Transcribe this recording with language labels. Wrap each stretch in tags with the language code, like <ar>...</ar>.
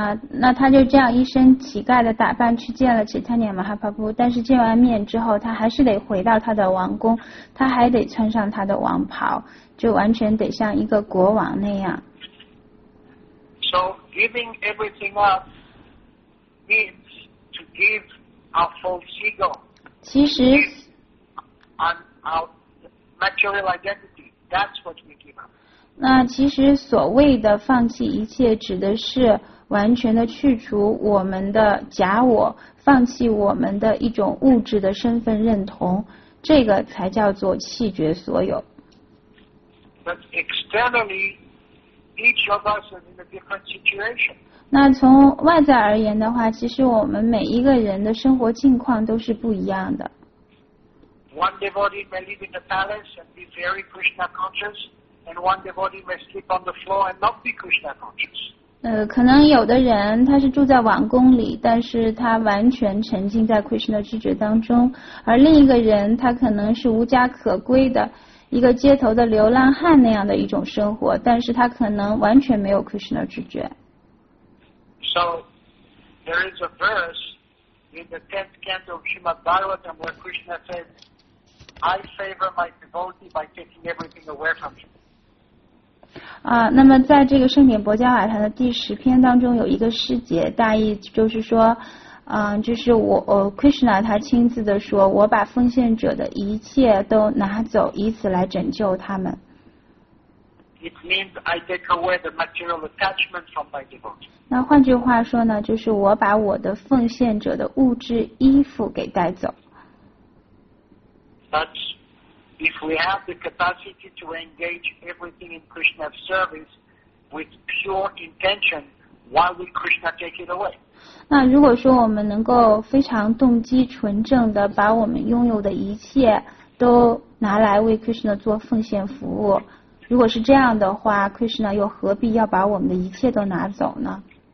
<zh>那他就这样一身乞丐的打扮去见了 Chaitanya Mahaprabhu， 但是见完面之后他还是得回到他的王宫，他还得穿上他的王袍，就完全得像一个国王那样。</zh> <en>So giving everything up means to give a false ego.</en> <zh>其实</zh> <en>on our material identity, that's what we give up.</en> <zh>那其实所谓的放弃一切指的是完全的去除我们的假我，放弃我们的一种物质的身份认同，这个才叫做弃绝所有。</zh> <en>But externally, each of us is in a different situation.</en> <zh>那从外在而言的话，其实我们每一个人的生活境况都是不一样的。</zh> <en>One devotee may live in the palace and be very Krishna conscious, and one devotee may sleep on the floor and not be Krishna conscious.</en> <zh>可能有的人他是住在王宫里，但是他完全沉浸在 Krishna 知觉当中，而另一个人他可能是无家可归的一个街头的流浪汉那样的一种生活，但是他可能完全没有 Krishna 知觉。</zh> <en>So there is a verse in the 10th canto of Srimad Bhagavatam where Krishna says, I favor my devotee by taking everything away from him.</en> <zh>啊，那么在这个圣典薄伽瓦坛的第十篇当中有一个释解，大意就是说，嗯，就是我Krishna 他亲自的说，我把奉献者的一切都拿走，以此来拯救他们。</zh> <en>It means I take away the material attachment from my devotee.</en> <zh>那换句话说呢，就是我把我的奉献者的物质衣服给带走。</zh> <en>But if we have the capacity to engage everything in Krishna's service with pure intention, why would Krishna take it away?</en> <zh>那如果说我们能够非常动机纯正的把我们拥有的一切都拿来为 Krishna 做奉献服务，如果是这样的话， Krishna 又何必要把我们的一切都拿走呢？</zh>